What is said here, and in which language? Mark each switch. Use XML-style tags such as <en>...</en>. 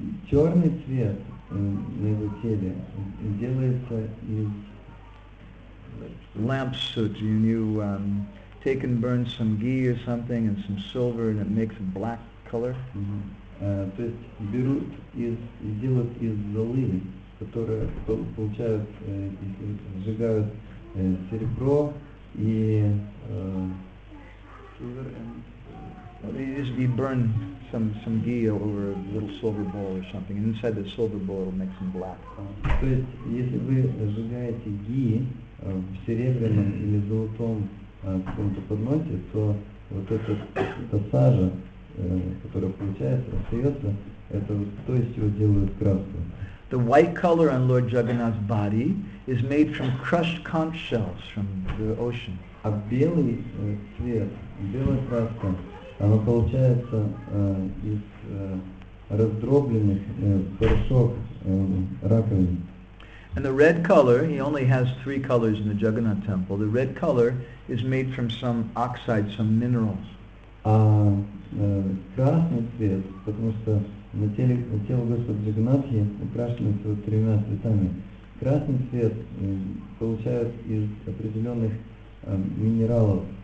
<ru>Черный цвет на его теле делается из</ru> <en>lamp soot. You take and burn some ghee or something and some silver and it makes a black color. Mm-hmm.</en> <ru>То есть берут и делают из золы, которые получают, сжигают серебро и</ru> <en>silver and you burn some ghee over a little silver bowl or something, and inside the silver bowl it'll make some black.</en> <ru>То есть если вы сжигаете ги в серебряном или золотом каком-то подносе, то вот эта сажа, которая получается, остается, это то есть его делают краску.</ru> <en>The white color on Lord Jagannath's body is made from crushed conch shells from the ocean.</en> <ru>А белый цвет, белая краска, она получается из раздробленных порошок раковин.</ru> <en>And the red color, he only has three colors in the Jagannath temple. The red color is made from some oxide, some minerals.</en> <ru>А красный цвет, потому что на теле Господа Джагнатхи украшены тремя цветами. Красный цвет получают из определенных минералов.</ru>